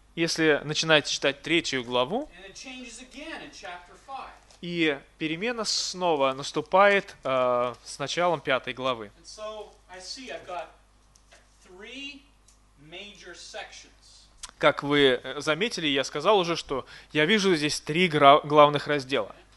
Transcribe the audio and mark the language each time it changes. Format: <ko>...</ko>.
<ru>если начинаете читать третью главу,</ru> <en>and it changes again in chapter 5.</en> <ru>И перемена снова наступает с началом пятой главы.</ru> <en>And so I see I've got three major sections.</en> <ru>Как вы заметили, я сказал уже, что я вижу здесь три главных раздела.</ru>